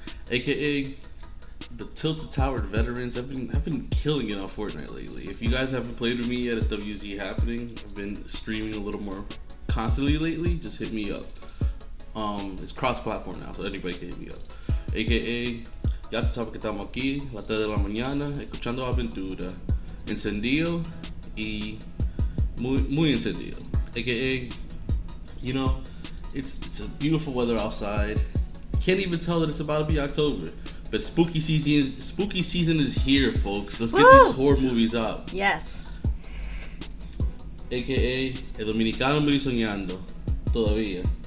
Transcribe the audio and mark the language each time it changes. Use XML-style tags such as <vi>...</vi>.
<en>AKA the Tilted Tower veterans. I've been killing it on Fortnite lately. If you guys haven't played with me yet at WZ Happening, I've been streaming a little more constantly lately, just hit me up. It's cross-platform now, so anybody can hit me up.</en> <es>AKA, ya te sabes que estamos aquí, la tarde de la mañana, escuchando aventura, encendido y muy encendido.</es> <en>AKA, you know, it's a beautiful weather outside. Can't even tell that it's about to be October, but spooky season is here, folks. Let's get these horror movies out. Yes.</en> <es>A.K.A. El Dominicano Muy Soñando. Todavía.</es>